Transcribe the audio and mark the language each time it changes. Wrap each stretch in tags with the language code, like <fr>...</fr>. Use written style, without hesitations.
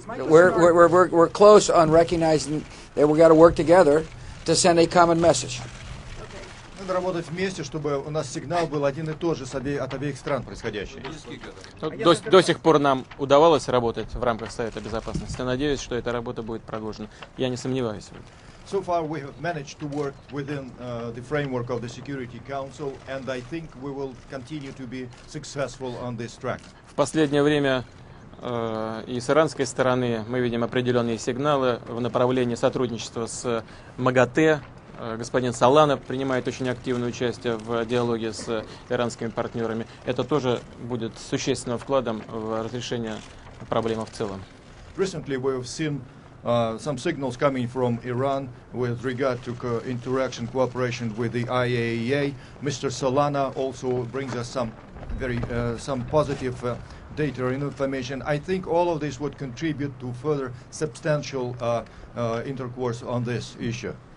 <en>We're close on recognizing that we got to work together to send a common message.</en> <ru>Надо работать вместе, чтобы у нас сигнал был один и тот же от обеих стран происходящий. До сих пор нам удавалось работать в рамках Совета Безопасности. Надеюсь, что эта работа будет продолжена. Я не сомневаюсь.</ru> <en>So far we have managed to work within the framework of the Security Council, and I think we will continue to be successful on this track.</en> <ru>В последнее время и с иранской стороны мы видим определенные сигналы в направлении сотрудничества с МАГАТЭ. Господин Соланов принимает очень активное участие в диалоге с иранскими партнерами. Это тоже будет существенным вкладом в разрешение проблемы в целом.</ru> <en>Recently we have seen some signals coming from Iran with regard to interaction cooperation with the IAEA. Mr. Solana also brings us some very some positive data and information. I think all of this would contribute to further substantial intercourse on this issue.</en>